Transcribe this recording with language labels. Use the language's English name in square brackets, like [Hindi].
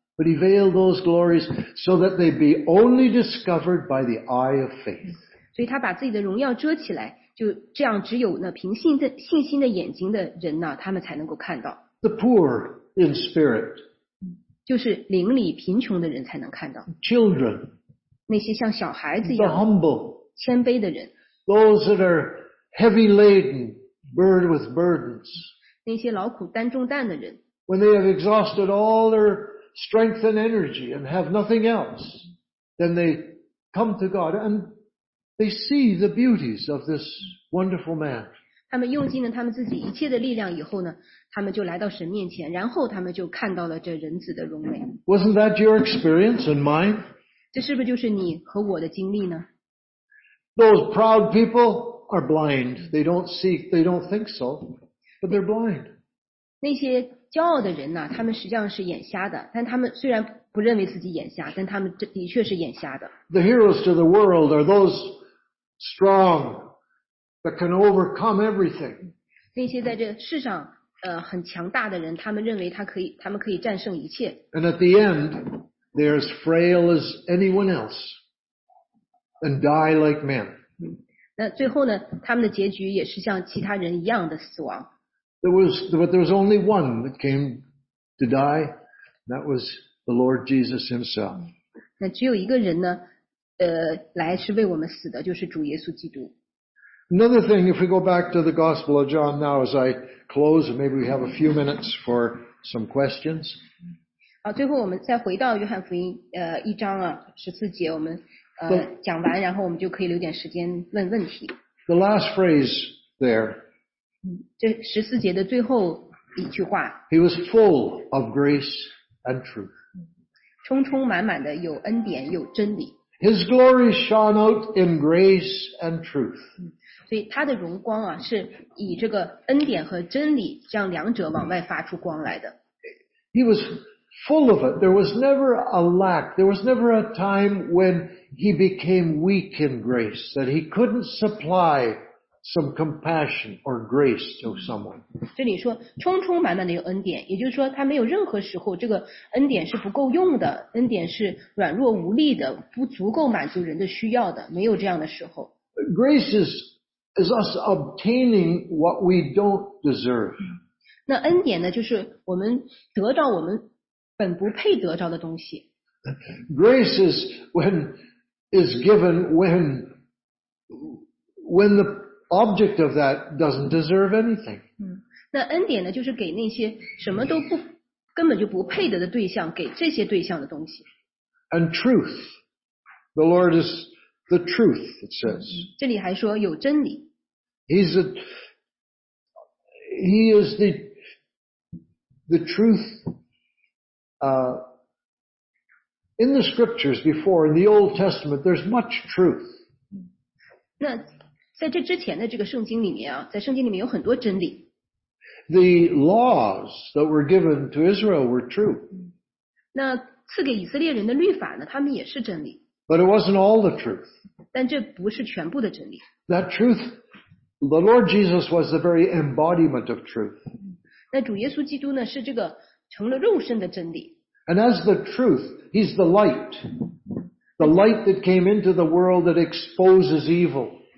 [English] But he veiled those glories so that they be only discovered by the eye of faith. [Chinese] 所以他把自己的荣耀遮起来，就这样，只有那凭信心的眼睛的人呢，他们才能够看到。 [English] The poor in spirit. [Chinese] 就是灵里贫穷的人才能看到。 [English] Children. [Chinese] 那些像小孩子一样。 [English] The humble. [Chinese] 谦卑的人。 [English] Those that are heavy laden, burdened with burdens. [Chinese] 那些劳苦担重担的人。 [English] When they have exhausted all their strength and energy and have nothing else, then they come to God and they see the beauties of this wonderful man. [Chinese] 他们用尽了他们自己一切的力量以后呢，他们就来到神面前，然后他们就看到了这人子的荣美。 [English] Wasn't that your experience and mine? [Chinese] 这是不是就是你和我的经历呢？ [English] Those proud people are blind. They don't see, they don't think so, but they're blind. [Chinese] 那些骄傲的人呢，他们实际上是眼瞎的，但他们虽然不认为自己眼瞎，但他们的确是眼瞎的。 [English] The heroes to the world are those strong that can overcome everything. [Chinese] 那些在这世上很强大的人，他们认为他们可以战胜一切。 [English] And at the end, they're as frail as anyone else and die like men. [Chinese] 那最后呢，他们的结局也是像其他人一样的死亡。 [English] But there was only one that came to die. That was the Lord Jesus Himself. [Chinese] 那只有一个人呢，来是为我们死的，就是主耶稣基督。 [English] Another thing, if we go back to the Gospel of John now, as I close, maybe we have a few minutes for some questions. [Chinese] 好，最后我们再回到约翰福音一章啊十四节，我们讲完，然后我们就可以留点时间问问题。 [English] The last phrase there. [Chinese] 这十四节的最后一句话。 [English] He was full of grace and truth. [Chinese] 充充满满的有恩典有真理。 [English] His glory shone out in grace and truth. [Chinese] 所以他的荣光啊，是以这个恩典和真理这样两者往外发出光来的。 [English] He was full of it. There was never a lack. There was never a time when he became weak in grace, that he couldn't supply some compassion or grace to someone. [Chinese] 这里说充充满满的有恩典，也就是说他没有任何时候这个恩典是不够用的，恩典是软弱无力的，不足够满足人的需要的，没有这样的时候。 [English] Grace is is us obtaining what we don't deserve. [Chinese] 那恩典呢，就是我们得到我们本不配得到的东西。 [English] Grace is when is given when the object of that doesn't deserve anything. [Chinese] 那恩典呢，就是给那些什么都不根本就不配得的对象，给这些对象的东西。 [English] And truth, the Lord is the truth. It says. [Chinese] 这里还说有真理。 [English] He is the truth. In the scriptures before, in the Old Testament, there's much truth. [Chinese] 那在这之前的这个圣经里面啊，在圣经里面有很多真理。 [English] The laws that were given to Israel were true. [Chinese] 那赐给以色列人的律法呢，他们也是真理。 [English] But it wasn't all the truth. [Chinese] 但这不是全部的真理。 [English] That truth, the Lord Jesus was the very embodiment of truth. [Chinese] 那主耶稣基督呢，是这个成了肉身的真理。 [English] And as the truth, he's the light. The light that came into the world that exposes evil.